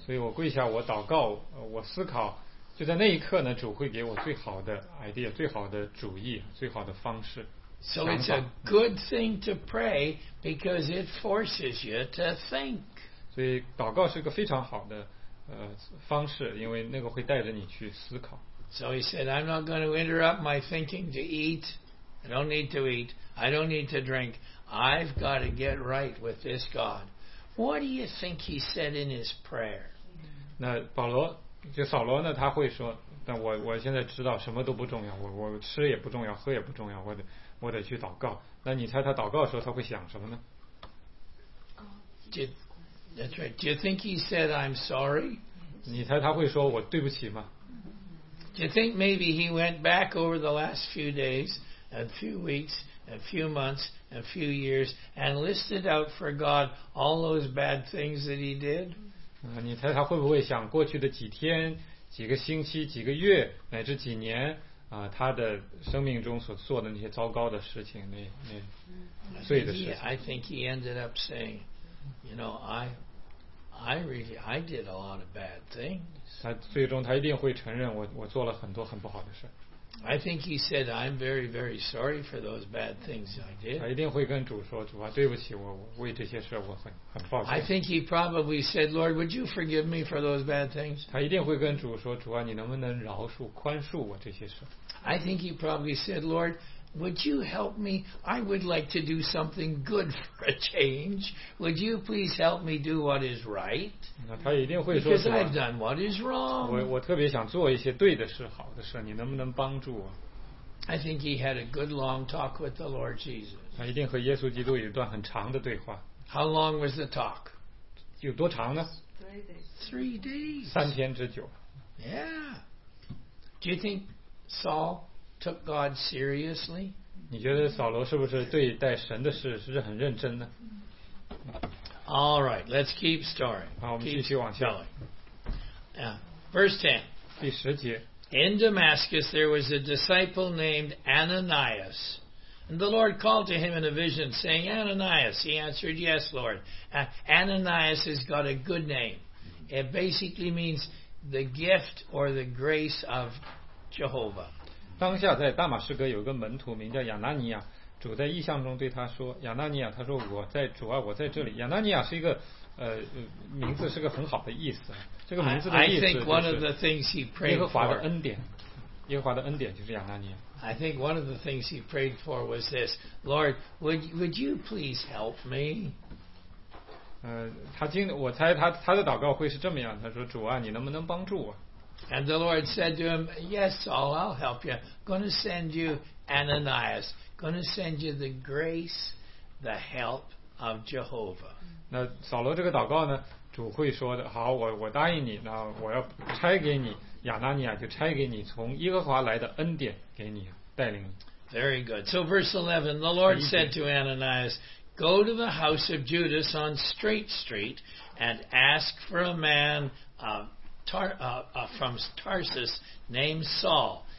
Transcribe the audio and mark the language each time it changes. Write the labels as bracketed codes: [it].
[zh] 所以我跪下我祷告我思考就在那一刻呢，主会给我最好的 idea， 最好的主意，最好的方式。 [en] So it's a good thing to pray because it forces you to think. [zh] 所以祷告是个非常好的方式，因为那个会带着你去思考。 [en] So he said, I'm not going to interrupt my thinking to eat. I don't need to eat. I don't need to drink. I've got to get right with this God. What do you think he said in his prayer? [zh] 那保罗。就扫罗呢，他会说，但我现在知道什么都不重要，我吃也不重要，喝也不重要，我得去祷告。那你猜他祷告的时候他会想什么呢？ [en] That's right. Do you think he said I'm sorry? [zh] 你猜他会说我对不起吗？ [en] Do you think maybe he went back over the last few days, and few weeks, and few months, and few years, and listed out for God all those bad things that he did? [zh] 你猜他会不会想过去的几天几个星期几个月乃至几年他的生命中所做的那些糟糕的事情那罪的事情 [en] I think he ended up saying you know I did a lot of bad things [zh] 他最终他一定会承认我做了很多很不好的事 [en] I think he said I'm very very sorry for those bad things I did [zh] 他一定会跟主说主啊对不起我为这些事我很 [en] I think he probably said, Lord, would you forgive me for those bad things? [zh] 他一定会跟主说，主啊，你能不能饶恕、宽恕我这些事？ [en] I think he probably said, Lord, would you help me? I would like to do something good for a change. Would you please help me do what is right? [zh] 那他一定会说， [en] Because I've done what is wrong. [zh] 我特别想做一些对的事、好的事，你能不能帮助我？ [en] I think he had a good long talk with the Lord Jesus. [zh] 他一定和耶稣基督有一段很长的对话。 [en] How long was the talk? [zh] 有多长呢？ [en] 3 days. [zh] 三天之久。 [en] Yeah. Do you think Saul took God seriously? [zh] 你觉得扫罗是不是对待神的事是很认真呢？ [en] All right, let's keep story. [zh] 好，我们继续往下。 [en] Verse 10. [zh] 第十节。 [en] In Damascus there was a disciple named Ananias. And the Lord called to him in a vision, saying, Ananias. He answered, Yes, Lord. Ananias has got a good name. It basically means the gift or the grace of Jehovah. [zh] 当下在大马士革有个门徒名叫亚拿尼亚，主在异象中对他说，亚拿尼亚，他说我在主啊，我在这里。亚拿尼亚是一个名字是个很好的意思。这个名字的意思就是。 [en] I think one of the things he prayed for. [zh] 耶和华的恩典，耶和华的恩典就是亚拿尼亚。 [en] I think one of the things he prayed for was this, Lord, would you please help me? [zh] 我猜他的祷告会是这么样，他说，主啊，你能不能帮助我？ [en] And the Lord said to him, Yes, Saul, I'll help you. Going to send you Ananias. Going to send you the grace, the help of Jehovah. [zh] 那扫罗这个祷告呢，主会说的，好，我答应你，那我要差给你。亚拿尼亚就差给你从耶和华来的恩典给你带领你 [en] Very good. So verse 11, the Lord said to Ananias, Go to the house of Judas on Straight Street and ask for a man from Tarsus named Saul.